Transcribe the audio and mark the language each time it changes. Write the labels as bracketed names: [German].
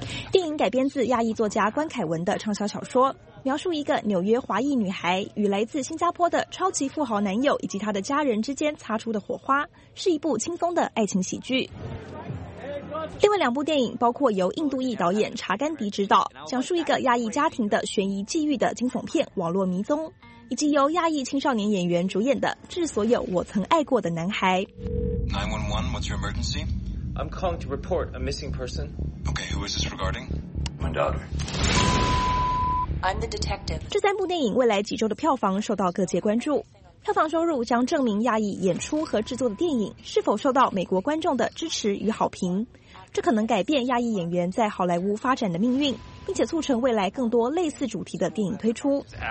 [Chinese] 电影改编自亚裔作家关凯文的畅销小说，描述一个纽约华裔女孩与来自新加坡的超级富豪男友以及他的家人之间擦出的火花，是一部轻松的爱情喜剧。另外两部电影包括由印度裔导演查甘迪执导，讲述一个亚裔家庭的悬疑际遇的惊悚片《网络迷踪》，以及由亚裔青少年演员主演的《致所有我曾爱过的男孩》。 [English] 911, what's your emergency? I'm calling to report a missing person. Okay, who is this regarding? My daughter. I'm the detective. [Chinese] 这三部电影未来几周的票房受到各界关注，票房收入将证明亚裔演出和制作的电影是否受到美国观众的支持与好评，这可能改变亚裔演员在好莱坞发展的命运，并且促成未来更多类似主题的电影推出。